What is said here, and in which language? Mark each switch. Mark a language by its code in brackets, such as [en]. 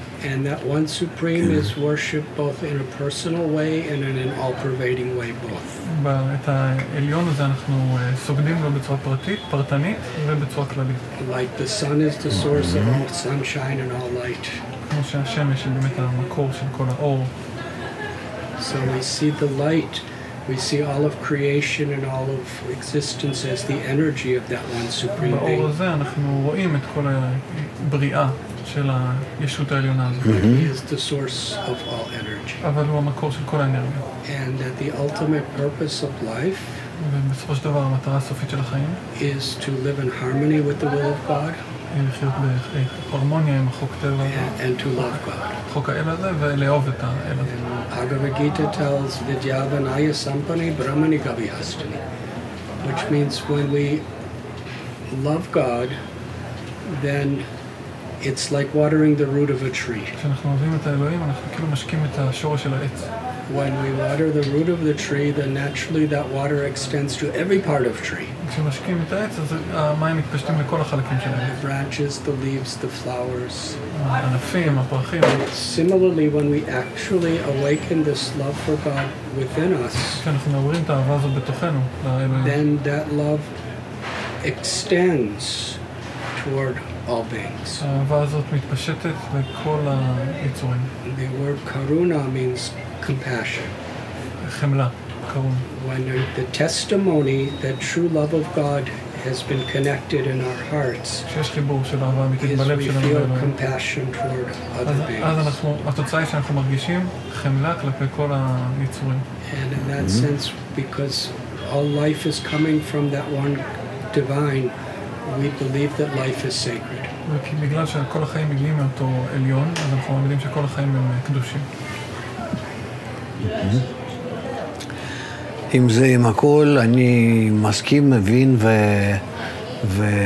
[en] And that one supreme is worshipped both in a personal way and in an all-pervading way both. [he] את העליון הזה אנחנו סוגדים לו בצורה פרטית, פרטנית ובצורה כללית. [en] Like the sun is the source of all sunshine and all light. [he] כמו שהשמש היא באמת המקור של כל האור. [en] So we see the light We see all of creation and all of existence as the energy of that one supreme being. [he] באור הזה אנחנו רואים את כל הבריאה של הישות העליונה הזאת. [en] He is the source of all energy. [he] אבל הוא המקור של כל האנרגיה. [en] And that the ultimate purpose of life [he] ובסופו של דבר המטרה הסופית של החיים [en] is to live in harmony with the will of God. [he] לחיות בהרמוניה עם החוק טבע [en] and to love God. [he] חוק האל הזה ולאהוב את האל הזה. [en] Bhagavad Gita tells [sa] vidyavanaya sampani brahmani gavihastani, [en] which means when we love God, then it's like watering the root of a tree. [he] כשאנחנו אוהבים את האלוהים אנחנו כאילו משקים את השורש של העץ. [en] When we water the root of the tree, then naturally that water extends to every part of the tree. [he] כשמשקים את העץ אז המים מתפשטים לכל החלקים של העץ. [en] The branches, the leaves, the flowers. [he] הענפים, הפרחים. [en] Similarly, when we actually awaken this love for God within us, [he] כשאנחנו מעוררים את האהבה הזאת בתוכנו, [en] then that love extends toward all beings. [he] האהבה הזאת מתפשטת לכל היצורים. [en] The word karuna means compassion. [he] חמלה, קרון. [en] When the testimony that true love of God has been connected in our hearts, [he] שיש חיבור של אהבה אמיתית בלב שלנו. [en] We feel compassion toward other beings. [he] אז אנחנו, התוצאה היא שאנחנו מרגישים חמלה כלפי כל היצורים. [en] And in that sense, because all life is coming from that one divine, we believe that life is sacred. [he] בגלל שכל החיים מגיעים מאותו עליון, אז אנחנו מאמינים שכל החיים הם קדושים. אם זה עם הכל, אני מסכים, מבין ו...